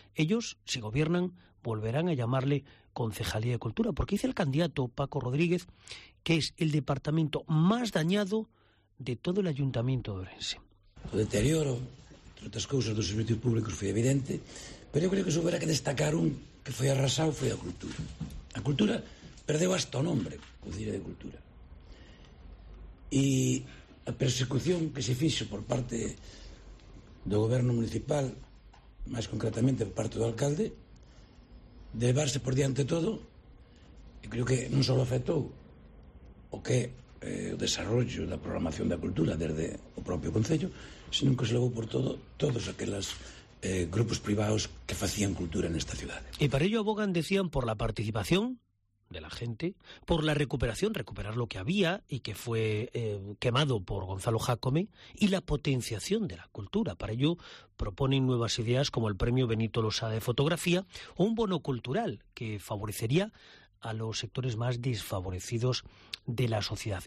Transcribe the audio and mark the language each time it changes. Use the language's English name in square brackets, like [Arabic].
[Spanish] Ellos, si gobiernan, volverán a llamarle Concejalía de Cultura, porque dice el candidato Paco Rodríguez que es el departamento más dañado de todo el Ayuntamiento de Ourense. O deterioro, entre otras cosas, dos servicios públicos fue evidente, pero yo creo que se hubiera que destacar un que fue arrasado, fue a cultura. [Galician] A cultura perdeu hasta o nombre, Concejalía de Cultura. E a persecución que se fixo por parte do goberno municipal, máis concretamente por parte do alcalde, de levarse por diante todo, e creo que non só afectou o que o desarrollo da programación da cultura desde o propio concello, sino que se levou por todo todos aquelas grupos privados que facían cultura nesta cidade. [Spanish] E para ello abogan, decían, por la participación de la gente, por la recuperación, recuperar lo que había y que fue quemado por Gonzalo Jácome, y la potenciación de la cultura. Para ello proponen nuevas ideas como el premio Benito Losada de fotografía o un bono cultural que favorecería a los sectores más desfavorecidos de la sociedad.